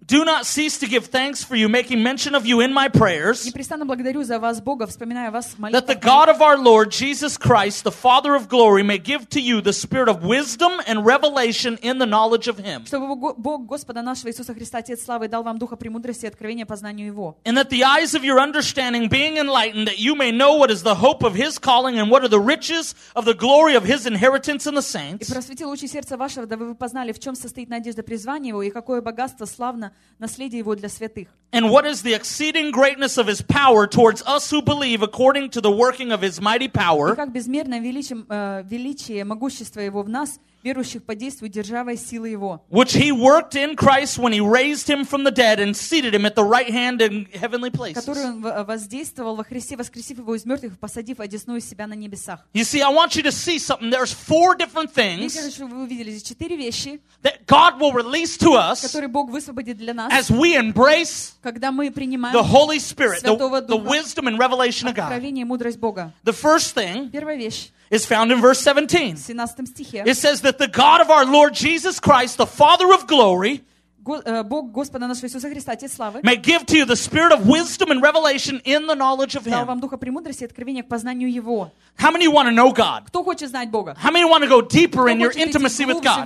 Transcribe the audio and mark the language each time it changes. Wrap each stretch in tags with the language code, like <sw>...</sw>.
<en>do not cease to give thanks for you, making mention of you in my prayers,</en> <ru>непрестанно благодарю за вас Бога, вспоминая вас в молитвах,</ru> <en>that the God of our Lord Jesus Christ, the Father of glory, may give to you the spirit of wisdom and revelation in the knowledge of him,</en> <ru>чтобы Бог Господа нашего Иисуса Христа, Отец славы, дал вам духа премудрости и откровения познанию его,</ru> <en>and that the eyes of your understanding being enlightened, that you may know what is the hope of his calling and what are the riches of the glory of his inheritance in the saints,</en> <ru>и просветил очи сердца ваше, да вы познали, в чем состоит надежда призвания его, и какое богатство славно наследие его для святых.</ru> <en>And what is the exceeding greatness of his power towards us who believe according to the working of his mighty power?</en> <ru>И как безмерно величие могущества его в нас, верующих по действию державой силы его.</ru> <en>Which he worked in Christ when he raised him from the dead and seated him at the right hand in heavenly places.</en> <ru>Который он воздействовал во Христе, воскресив его из мертвых, посадив одесную себя на небесах.</ru> <en>You see, I want you to see something. There's four different things.</en> <ru>Я хочу, чтобы вы увидели здесь четыре вещи.</ru> <en>That God will release to us.</en> <ru>Которые Бог высвободит для нас.</ru> <en>As we embrace.</en> <ru>Когда мы принимаем.</ru> <en>The Holy Spirit,</en> <ru>Святого Духа,</ru> <en>the wisdom and revelation of God.</en> <ru>Откровение и мудрость Бога.</ru> <en>The first thing.</en> <ru>Первая вещь.</ru> <en>Is found in verse 17.</en> <ru>В 17 стихе.</ru> <en>It says that the God of our Lord Jesus Christ, the Father of glory,</en> <ru>Бог Господа нашего Иисуса Христа, Отец славы,</ru> <en>may give to you the spirit of wisdom and revelation in the knowledge of him.</en> <ru>Дал вам духа премудрости и откровения к познанию его.</ru> <en>How many want to know God?</en> <ru>Кто хочет знать Бога?</ru> <en>How many want to go deeper in your intimacy with God?</en>